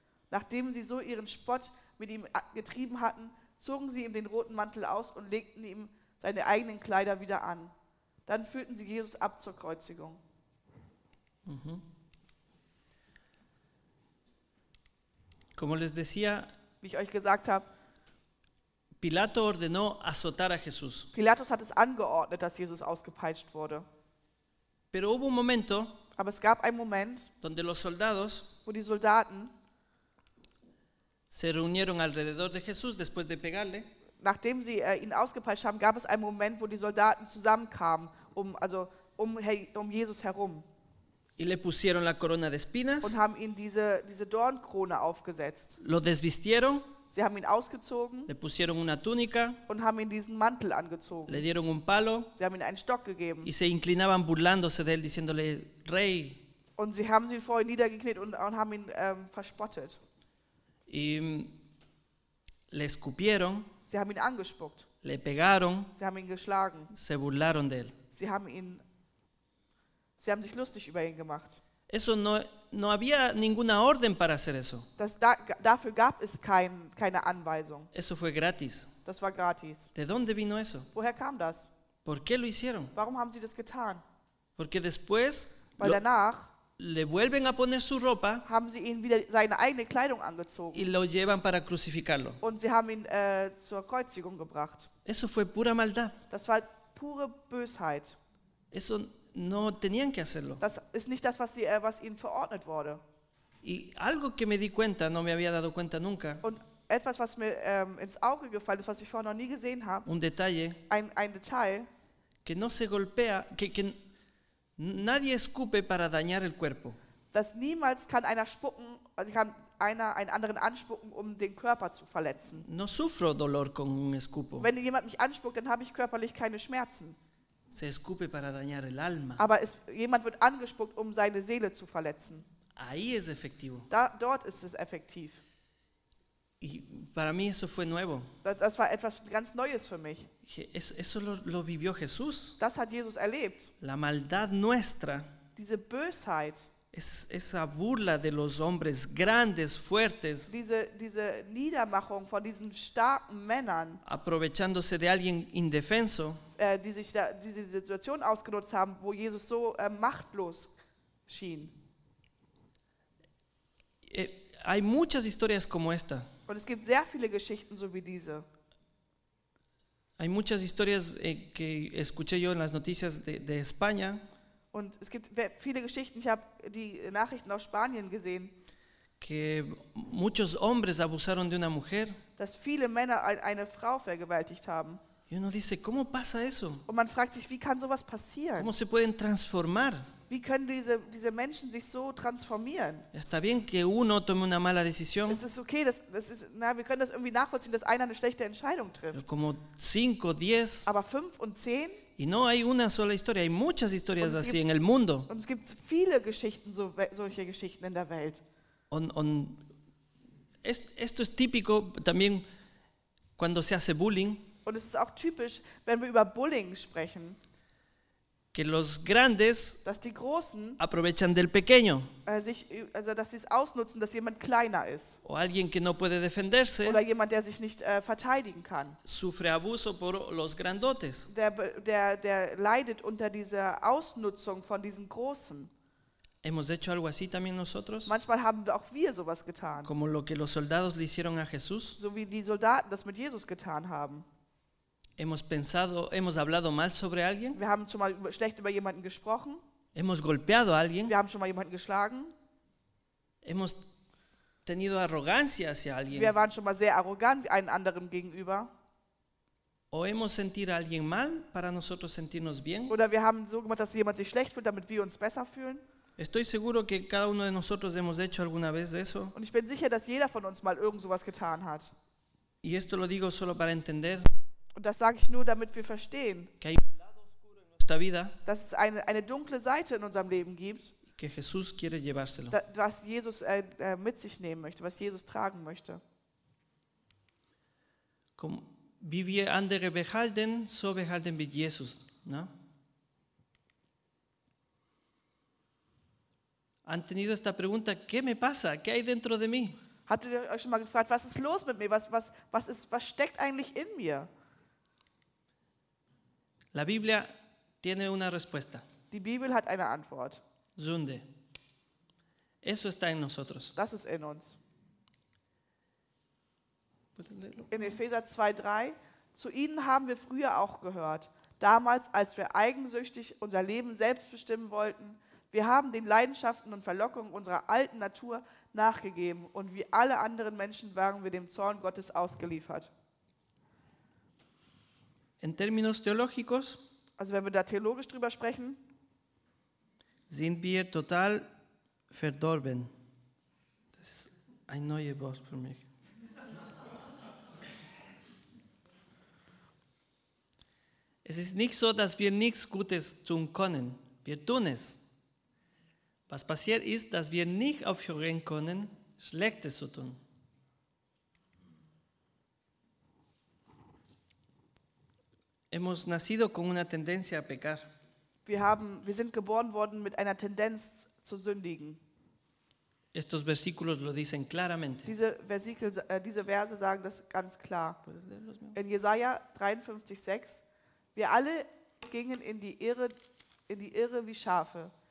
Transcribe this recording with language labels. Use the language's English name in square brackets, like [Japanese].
[German] Nachdem sie so ihren Spott mit ihm getrieben hatten, zogen sie ihm den roten Mantel aus und legten ihm seine eigenen Kleider wieder an. Dann führten sie Jesus ab zur Kreuzigung. [Spanish] Como les decía, [German] wie ich euch gesagt habe, [Spanish] Pilato ordenó azotar a Jesús. [German] Pilatus hat es angeordnet, dass Jesus ausgepeitscht wurde. [Spanish] Pero hubo un momento, [German] aber es gab einen Moment, [Spanish] donde los soldados, [German] wo die Soldaten [Spanish] se reunieron alrededor de Jesús después de pegarle. [German] Nachdem sie ihn ausgepeitscht haben, gab es einen Moment, wo die Soldaten zusammenkamen, um Jesus herum. [Spanish] Y le pusieron la corona de espinas. [German] Und haben ihm diese Dornkrone aufgesetzt. [Spanish] Lo desvistieron. [German] Sie haben ihn ausgezogen. [Spanish] Le pusieron una túnica. [German] Und haben ihm diesen Mantel angezogen. [Spanish] Le dieron un palo. [German] Sie haben ihm einen Stock gegeben. [Spanish] Y se inclinaban burlándose de él, diciéndole, Rey. [German] Und sie haben ihn vorher niedergekniet und haben ihn verspottet. [Spanish] Y le escupieron. [German] Sie haben ihn angespuckt. [Spanish] Le pegaron. [German] Sie haben ihn geschlagen. [Spanish] Se burlaron de él. [German] Sie haben sich lustig über ihn gemacht. [Spanish] Eso no había ninguna orden para hacer eso. [German] Dafür gab es keine Anweisung. [Spanish] Eso fue gratis. [German] Das war gratis. [Spanish] ¿De dónde vino eso? [German] Woher kam das? [Spanish] ¿Por qué lo hicieron? [German] Warum haben sie das getan? [Spanish] Porque después, [German] weil danach [Spanish] le vuelven a poner su ropa, [German] haben sie ihn wieder seine eigene Kleidung angezogen. [Spanish] Y lo llevan para crucificarlo. [German] Und sie haben ihn zur Kreuzigung gebracht. [Spanish] Eso fue pura maldad. [German] Das war pure Bösheit. [Spanish] Eso no tenían que hacerlo. [German] Das ist nicht das, was ihnen verordnet wurde. [Spanish] Y algo que me di cuenta, no me había dado cuenta nunca. [German] Und etwas, was mir ins Auge gefallen ist, was ich vorher noch nie gesehen habe. [Spanish] Un detalle. [German] Ein Detail. [Spanish] Que no se golpea, que nadie escupe para dañar el cuerpo. [German] Dass niemals kann einer spucken, also kann einer einen anderen anspucken, um den Körper zu verletzen. [Spanish] No sufro dolor con un escupo. [German] Wenn jemand mich anspuckt, dann habe ich körperlich keine Schmerzen. [Spanish] Se escupe para dañar el alma. [German] Aber jemand wird angespuckt, um seine Seele zu verletzen. [Spanish] Ahí es efectivo. [German] Dort ist es effektiv. [Spanish] Y para mí eso fue nuevo. [German] Das war etwas ganz Neues für mich. [Spanish] Eso lo vivió Jesús. [German] Das hat Jesus erlebt. [Spanish] La maldad nuestra. [German] Diese Bösheit. [Spanish] Es, esa burla de los hombres grandes, fuertes. [German] Diese Niedermachung von diesen starken Männern. [Spanish] Aprovechándose de alguien indefenso. [German] Die diese Situation ausgenutzt haben, wo Jesus so machtlos schien. [Spanish] Hay muchas historias como esta. [German] Und es gibt sehr viele Geschichten so wie diese. [Spanish] Hay muchas historias que escuché yo en las noticias de España. [German] Und es gibt viele Geschichten, ich habe die Nachrichten aus Spanien gesehen, [Spanish] que muchos hombres abusaron de una mujer, [German] dass viele Männer eine Frau vergewaltigt haben. [Spanish] Y uno dice, ¿cómo pasa eso? [German] Und man fragt sich, wie kann sowas passieren? [Spanish] ¿Cómo se pueden transformar? [German] Wie können diese Menschen sich so transformieren? [Spanish] Está bien que uno tome una mala decisión. [German] Es ist okay, wir können das irgendwie nachvollziehen, dass einer eine schlechte Entscheidung trifft. [Spanish] Como cinco, diez, [German] aber 5 und 10? [Spanish] Y no hay una sola historia, hay muchas historias así en el mundo. [German] Und es gibt viele Geschichten, solche Geschichten in der Welt. Und [Spanish] esto es típico también cuando se hace bullying. [German] Und es ist auch typisch, wenn wir über Bullying sprechen. [Spanish] Que los grandes, [German] dass die Großen, [Spanish] aprovechan del pequeño. [German] Dass sie es ausnutzen, dass jemand kleiner ist. [Spanish] O alguien que no puede defenderse. [German] Oder jemand, der sich nicht verteidigen kann. [Spanish] Sufre abuso por los grandotes. [German] Der leidet unter dieser Ausnutzung von diesen Großen. [Spanish] Hemos hecho algo así también nosotros. [German] Manchmal haben auch wir sowas getan. [Spanish] Como lo que los soldados le hicieron a Jesús. [German] So wie die Soldaten das mit Jesus getan haben. [Spanish] Hemos pensado, hemos hablado mal sobre alguien. [German] Wir haben schon mal schlecht über jemanden gesprochen. [Spanish] Hemos golpeado a alguien. [German] Wir haben schon mal jemanden geschlagen. [Spanish] Hemos tenido arrogancia hacia alguien. [German] Wir waren schon mal sehr arrogant einem anderen gegenüber. [Spanish] O hemos sentido a alguien mal para nosotros sentirnos bien. [German] Oder wir haben so gemacht, dass jemand sich schlecht fühlt, damit wir uns besser fühlen. [Spanish] Estoy seguro que cada uno de nosotros hemos hecho alguna vez eso. [German] Und ich bin sicher, dass jeder von uns mal irgend sowas getan hat. [Spanish] Y esto lo digo solo para entender. [German] Und das sage ich nur, damit wir verstehen, dass es eine dunkle Seite in unserem Leben gibt, [Spanish] que Jesús quiere llevárselo. [German] Was Jesus mit sich nehmen möchte, was Jesus tragen möchte. [Spanish] Como, [German] wie wir andere behalten, so behalten wir Jesus. [Spanish] ¿No? ¿Han tenido esta pregunta? ¿Qué me pasa? ¿Qué hay dentro de mí? [German] Habt ihr euch schon mal gefragt, was ist los mit mir? Was steckt eigentlich in mir? [Spanish] La Biblia tiene una respuesta. [German] Die Bibel hat eine Antwort. [Spanish] Sünde. Eso está en nosotros. [German] Das ist in uns. In Epheser 2,3: Zu ihnen haben wir früher auch gehört. Damals, als wir eigensüchtig unser Leben selbst bestimmen wollten, wir haben den Leidenschaften und Verlockungen unserer alten Natur nachgegeben und wie alle anderen Menschen waren wir dem Zorn Gottes ausgeliefert. [Spanish] En términos teológicos, [German] also wenn wir da theologisch drüber sprechen, sind wir total verdorben. Das ist ein neues Wort für mich. Es ist nicht so, dass wir nichts Gutes tun können. Wir tun es. Was passiert ist, dass wir nicht aufhören können, Schlechtes zu tun. [Spanish] Hemos nacido con una tendencia a pecar. [German] Wir sind geboren worden mit einer Tendenz zu sündigen. [Spanish] Estos versículos lo dicen claramente. [German] Diese Verse sagen das ganz klar. In Jesaja 53,6: Wir alle gingen in die Irre wie Schafe.